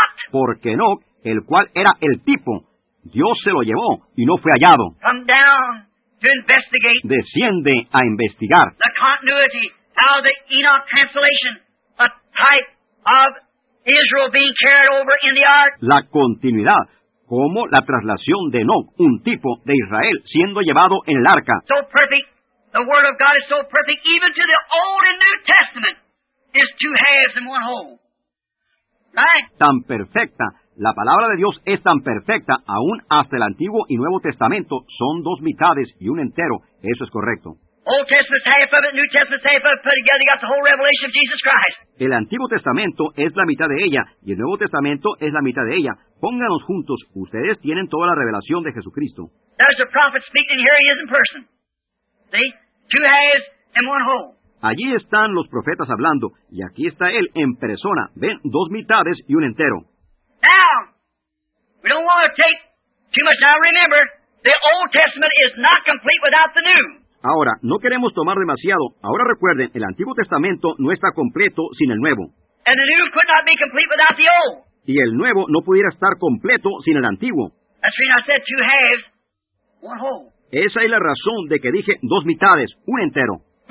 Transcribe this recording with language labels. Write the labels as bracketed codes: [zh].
[es] Porque Enoch, el cual era el tipo, Dios se lo llevó y no fue hallado. [en] Come down to investigate. [es] Desciende a investigar. La continuidad. [en] How the Enoch translation, a type of Israel being carried over in the ark. [es] La continuidad, como la traslación de Enoch, un tipo de Israel, siendo llevado en el arca. [en] So perfect, the word of God is so perfect, even to the Old and New Testament, is two halves and one whole. Right? [es] Tan perfecta, la palabra de Dios es tan perfecta, aún hasta el Antiguo y Nuevo Testamento, son dos mitades y un entero, eso es correcto. [en] Old Testament's half of it, New Testament's half of it, put together, you got the whole revelation of Jesus Christ. [es] El Antiguo Testamento es la mitad de ella, y el Nuevo Testamento es la mitad de ella. Pónganos juntos, ustedes tienen toda la revelación de Jesucristo. [en] There's a prophet speaking, and here he is in person. See? Two halves and one whole. [es] Allí están los profetas hablando, y aquí está él en persona. Ven, dos mitades y un entero. [en] Now, we don't want to take too much. Now remember, the Old Testament is not complete without the New. [es] Ahora, no queremos tomar demasiado. Ahora recuerden, el Antiguo Testamento no está completo sin el Nuevo. [en] And the new could not be complete without the old. [es] Y el Nuevo no pudiera estar completo sin el Antiguo. [en] That's why I said two halves, one whole. [es] Esa es la razón de que dije dos mitades, un entero.